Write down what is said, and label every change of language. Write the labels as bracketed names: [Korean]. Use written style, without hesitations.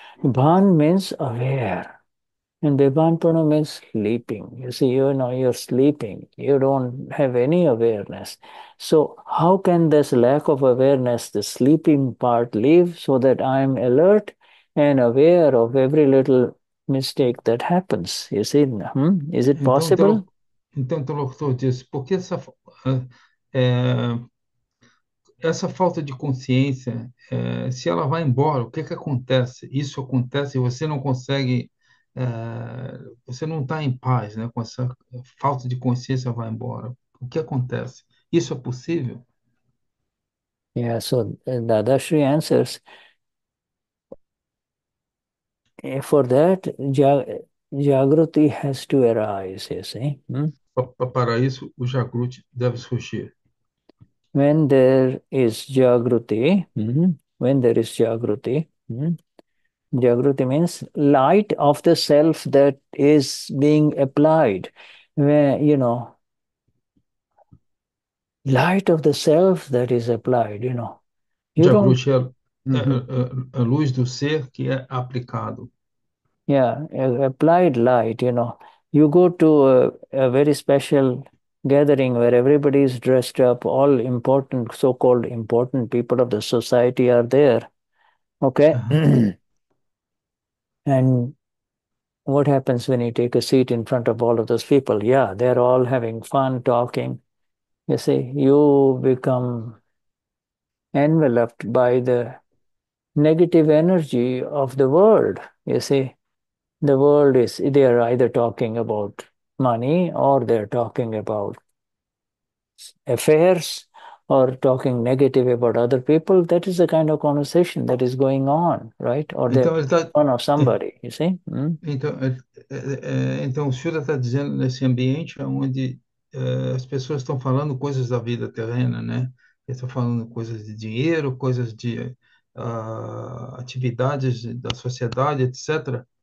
[English] Bhan means aware, and bebhanpano means sleeping. You see, you're sleeping. You don't have any awareness. So how can this lack of awareness, the sleeping part, leave so that I'm alert and aware of every little mistake that happens? You see, is it [Portuguese] Então, [English] possible? [Portuguese] o interlocutor diz, por que essa falta de consciência, se ela vai embora, o que que acontece? Isso acontece e você não consegue, você não está em paz, né, com essa falta de consciência vai embora. O que acontece? Isso é possível? [English] Yeah, so Dadashri answers, for that, Jagruti has to arise, you see. [Portuguese] Para isso, o Jagrut deve surgir. [English] When there is Jagruti, when there is Jagruti, Jagruti means light of the self that is being applied, where, light of the self that is applied, You don't. [Portuguese] Jagrut é a luz do ser que é aplicado. [English] Applied light, You go to a very special gathering where everybody is dressed up, all important, so-called important people of the society are there. Okay? And what happens when you take a seat in front of all of those people? Yeah, they're all having fun talking. You see, you become enveloped by the negative energy of the world. You see, the world is, they are either talking about money, or they're talking about affairs, or talking negative about other people. That is the kind of conversation that is going on, right? Or they're one of somebody, you see. [Portuguese] Então, o Shura está dizendo nesse ambiente onde as pessoas estão falando coisas da vida terrena, né? Estão falando coisas de dinheiro, coisas de atividades da sociedade, etc.